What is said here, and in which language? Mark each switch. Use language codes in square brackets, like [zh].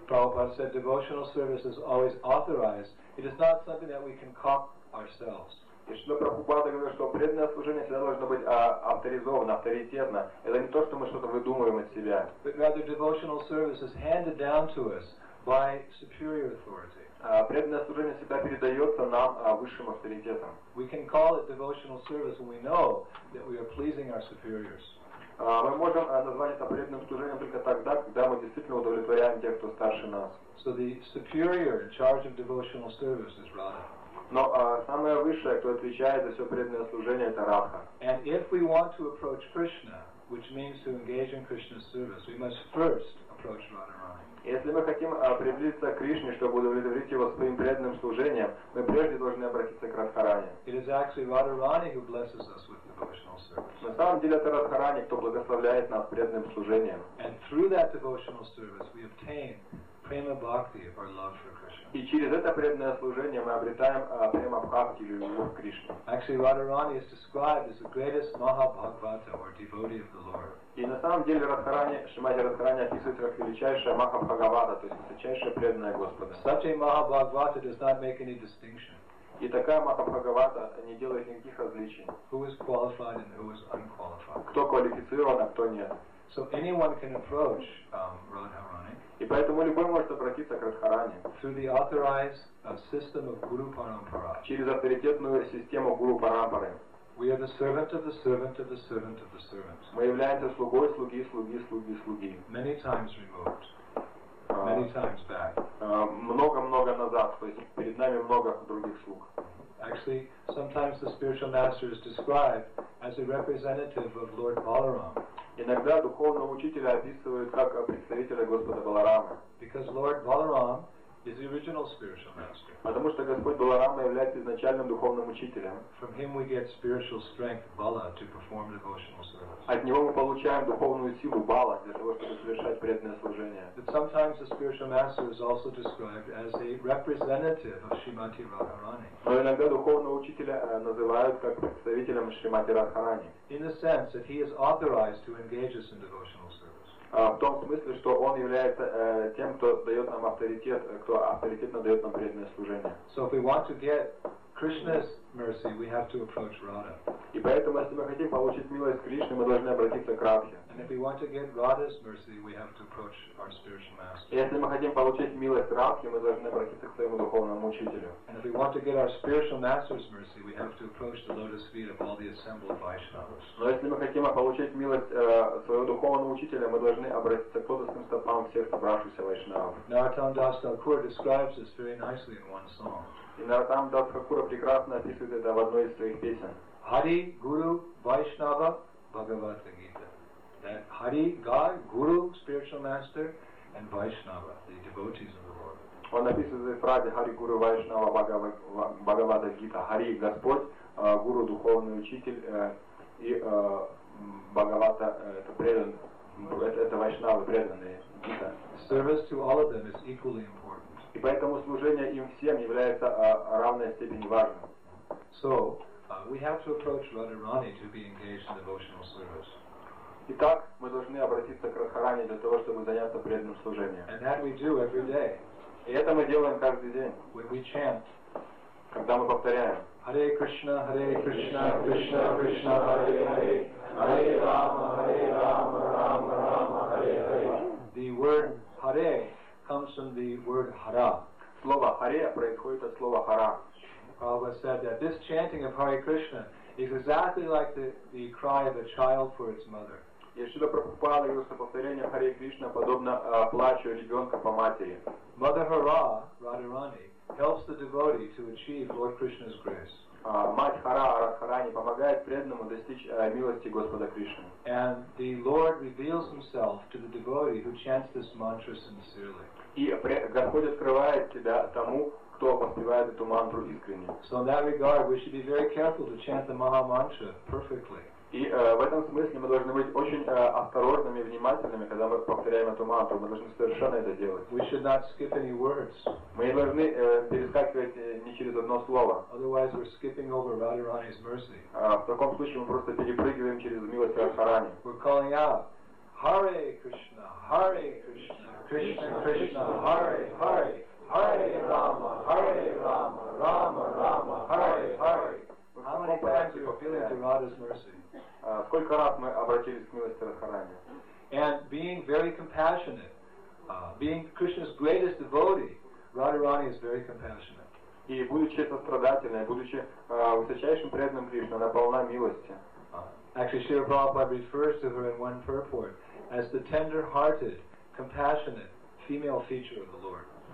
[en] Prabhupada said, devotional service is always authorized. It is not something that we can cop ourselves. [ru] И что Прабхупада говорит, что преданное служение всегда должно быть авторизовано, авторитетно. Это не то, что мы что-то выдумываем от себя. [en] But rather, devotional service is handed down to us by superior authority. [ru] Преданное служение всегда передается нам высшим авторитетом. [en] We can call it devotional service when we know that we are pleasing our superiors. [ru] Мы можем назвать это преданным служением только тогда, когда мы действительно удовлетворяем тех, кто старше нас. [en] So the superior in charge of devotional service is Radha. [ru] Но самое высшее, кто отвечает за все преданное служение, это Радха. [en] And if we want to approach Krishna, which means to engage in Krishna's service, we must first approach Radharani. [ru] Если мы хотим приблизиться к Кришне, чтобы удовлетворить его своим преданным служением, мы прежде должны обратиться к Радхарани. [en] It is actually Radharani who blesses us with devotional service. [ru] На самом деле это Радхарани, кто благословляет нас преданным служением. [en] And through that devotional service we obtain prema bhakti, our love for Krishna. [ru] И через это преданное служение мы обретаем prema bhakti, любовь к Кришне. [en] Actually, Radharani is described as the greatest mahabhagavata, or devotee of the Lord. [ru] И на самом деле Радхарани, Шримати Радхарани описывается как величайшая Махабхагавата, то есть высочайшая преданная Господа. [en] Such a Mahabhagavata does not make any distinction. [ru] И такая Махабхагавата не делает никаких различий. [en] Who is qualified and who is unqualified. [ru] Кто квалифицирован, а кто нет. [en] So anyone can approach Radharani. [ru] И поэтому любой может обратиться к Радхарани. [en] Through the authorized system of Guru Parampara. [ru] Через авторитетную систему Гуру Парампары. [en] We are the servant of the servant of the servant of the servant. [ru] Мы являемся слугой слуги слуги слуги слуги. [en] Many times removed. Many times back. [ru] Много-много назад, то есть перед нами много других слуг. [en] Actually, sometimes the spiritual master is described as a representative of Lord Balaram. [ru] Иногда духовного учителя описывают как представителя Господа Баларама. [en] Because Lord Balaram is the original spiritual master. [ru] Потому что Господь Баларама является изначальным духовным учителем. [en] From him we get spiritual strength, Bala, to perform devotional service. [ru] От него мы получаем духовную силу Бала для того, чтобы совершать преданное служение. [en] But sometimes the spiritual master is also described as a representative of Shrimati Radharani. [ru] Но иногда духовного учителя называют как представителем Шримати Радхарани. [en] In the sense that he is authorized to engage us in devotional service. [ru] В том смысле, что он является тем, кто дает нам авторитет, кто авторитетно дает нам преданное служение. [en] So if we want to get Krishna's mercy, we have to approach Radha. [ru] И поэтому, если мы хотим получить милость Кришны, мы должны обратиться к Радхе. [en] And if we want to get Radha's mercy, we have to approach our spiritual master. [ru] И если мы хотим получить милость Радхи, мы должны обратиться к своему духовному учителю. [en] And if we want to get our spiritual master's mercy, we have to approach the lotus feet of all the assembled Vaishnavas. [ru] Но если мы хотим получить милость своего духовного учителя, мы должны обратиться к лотосным стопам всех собравшихся Вайшнавов. [en] Narottam Das Thakur describes this very nicely in one song. [ru] И Нартам Дас Хакура прекрасно описывает это в одной из своих песен. Хари Гуру Вайшнава Бхагавата Гита. [en] Хари Гар Гуру Spiritual Master and Vaishnava, the devotees of the Lord. [ru] Он описывает в фразе Хари Гуру Вайшнава Бхагавата Гита. Хари Господь, Гуру Духовный Учитель и Бхагавата это предан. Это Вайшнавы преданные Гита. [en] Service to all of them is equally important. [ru] И поэтому служение им всем является равной степени важным. [en] So, we have to approach Radharani to be engaged in devotional service. [ru] Итак, мы должны обратиться к Радхарани для того, чтобы заняться преданным служением. [en] And that we do every day. [ru] И это мы делаем каждый день. [en] When we chant. [ru] Когда мы повторяем. [sa] Hare Krishna, Hare Krishna, Krishna Krishna, Hare Hare. Hare Rama, Hare Rama, Rama Rama, Hare Hare. [en] The word Hare comes from the word hara. [ru] Слово харе происходит от слова хара. [en] Prabhupada said that this chanting of Hare Krishna is exactly like the cry of a child for its mother. [ru] Шрила Прабхупада говорит, что повторение Харе Кришна подобно плачу ребенка по матери. [en] Mother Hara, Radharani, helps the devotee to achieve Lord Krishna's grace. [ru] мать Хара Радхарани помогает преданному достичь милости Господа Кришны. [en] And the Lord reveals himself to the devotee who chants this mantra sincerely. [ru] И Господь открывает себя тому, кто воспевает эту мантру искренне. [en] So in that regard, we should be very careful to chant the Maha Mantra perfectly. [ru] И в этом смысле мы должны быть очень осторожными и внимательными, когда мы повторяем эту мантру. Мы должны совершенно это делать. [en] We should not skip any words. [ru] Мы не должны перескакивать ни через одно слово. [en] Otherwise we're skipping over Radharani's mercy. [ru] В таком случае мы просто перепрыгиваем через милость Радхарани. [en] We're calling out, [sa] Hare Krishna, Hare Krishna, Krishna Krishna, Hare Hare, [en] Hare Rama, Rama Rama, Rama Rama, Hare Hare. How many times have we appealed to Radha's mercy? [ru] Сколько раз мы обратились к милости Радхарани? [en] And being very compassionate, being Krishna's greatest devotee, Radharani is very compassionate. [ru] И будучи сострадательной, будучи высочайшим преданным Кришны, она полна милости. [en] Actually, Śrīla Prabhupāda refers to her in one purport as the tender-hearted, compassionate female feature of the Lord.